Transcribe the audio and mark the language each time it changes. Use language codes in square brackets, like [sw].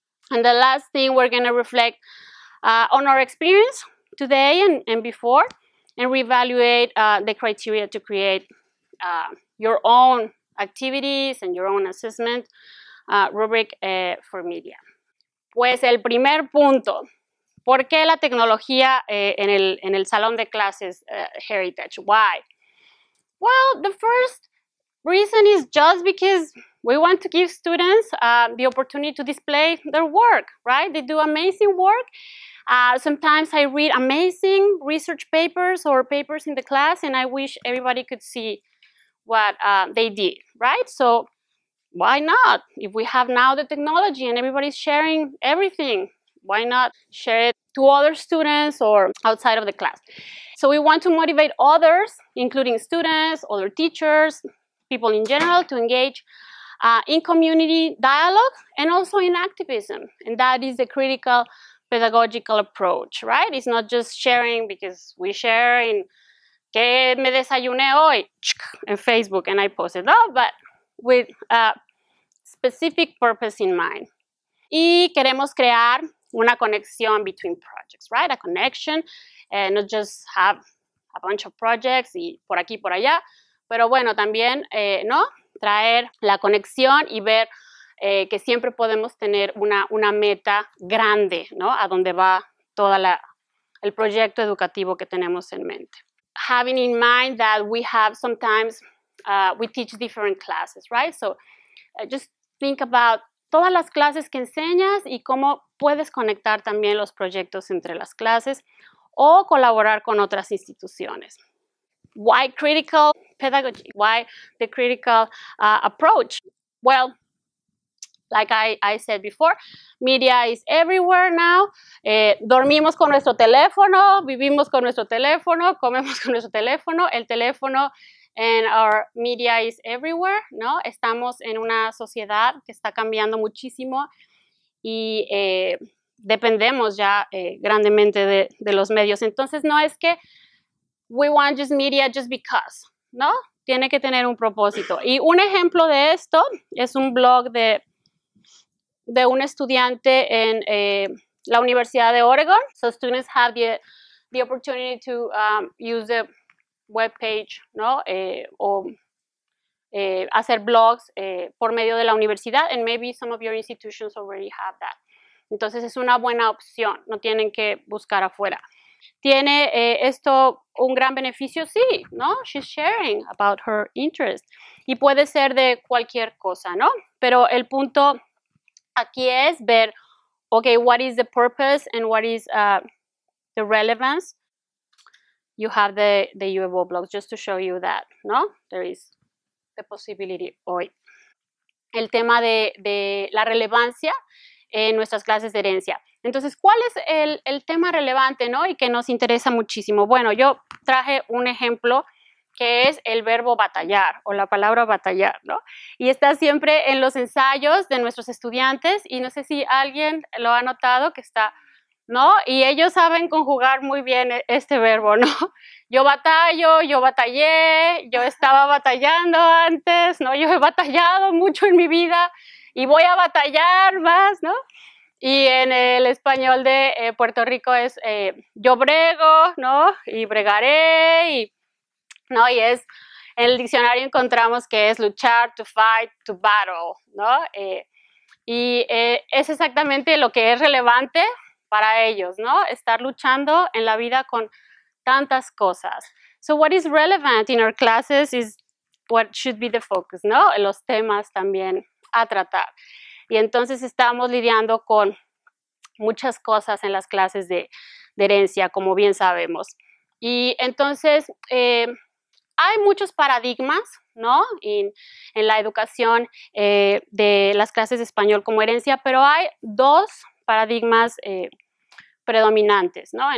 [en] And the last thing we're gonna reflect on our experience today and before, and reevaluate the criteria to create your own activities and your own assessment rubric for media. [es] Pues el primer punto. ¿Por qué la tecnología en el salón de clases Heritage? [en] Why? Well, the first reason is just because we want to give students the opportunity to display their work, right? They do amazing work. Sometimes I read amazing research papers or papers in the class, and I wish everybody could see what they did, right? So why not? If we have now the technology and everybody's sharing everything, why not share it to other students or outside of the class? So we want to motivate others, including students, other teachers, people in general, to engage in community dialogue and also in activism. And that is the critical pedagogical approach, right? It's not just sharing because we share in [es] que me desayuné hoy en [en] Facebook and I posted that, but with a specific purpose in mind. [es] Y queremos crear una conexión [en] between projects, right? A connection, and not just have a bunch of projects [es] y por aquí, por allá, pero bueno, también, ¿no? Traer la conexión y ver que siempre podemos tener una meta grande, ¿no? A donde va toda la el proyecto educativo que tenemos en mente. [en] Having in mind that we have sometimes we teach different classes, right? So just think about [es] todas las clases que enseñas y cómo puedes conectar también los proyectos entre las clases o colaborar con otras instituciones. [en] Why critical pedagogy? Why the critical approach? Well, like I said before, media is everywhere now. [es] Dormimos con nuestro teléfono, vivimos con nuestro teléfono, comemos con nuestro teléfono. El teléfono [en] and our media is everywhere, ¿no? [es] Estamos en una sociedad que está cambiando muchísimo y dependemos ya grandemente de los medios. Entonces, no es que [en] we want just media just because, ¿no? [es] Tiene que tener un propósito. Y un ejemplo de esto es un blog de un estudiante en la Universidad de Oregon. [en] So students have the opportunity to use the webpage, ¿no? [es] O hacer blogs por medio de la universidad. [en] And maybe some of your institutions already have that. [es] Entonces es una buena opción. No tienen que buscar afuera. ¿Tiene esto un gran beneficio? Sí, ¿no? [en] She's sharing about her interest. [es] Y puede ser de cualquier cosa, ¿no? Pero el punto aquí es ver, [en] okay, what is the purpose and what is the relevance? You have the U of O blog, just to show you that, ¿no? There is the possibility hoy. [es] El tema de la relevancia en nuestras clases de herencia. Entonces, ¿cuál es el tema relevante, ¿no? Y que nos interesa muchísimo. Bueno, yo traje un ejemplo que es el verbo batallar o la palabra batallar, ¿no? Y está siempre en los ensayos de nuestros estudiantes y no sé si alguien lo ha notado que está, ¿no? Y ellos saben conjugar muy bien este verbo, ¿no? Yo batallo, yo batallé, yo estaba batallando antes, ¿no? Yo he batallado mucho en mi vida y voy a batallar más, ¿no? Y en el español de Puerto Rico es yo brego, ¿no? Y bregaré y no, y es, en el diccionario encontramos que es luchar, [en] to fight, to battle, [es] ¿no? Es exactamente lo que es relevante para ellos, ¿no? Estar luchando en la vida con tantas cosas. [en] So what is relevant in our classes is what should be the focus, ¿no? [es] Los temas también a tratar. Y entonces estamos lidiando con muchas cosas en las clases de herencia, como bien sabemos. Y entonces, hay muchos paradigmas, ¿no? En la educación de las clases de español como herencia, pero hay dos paradigmas predominantes, ¿no?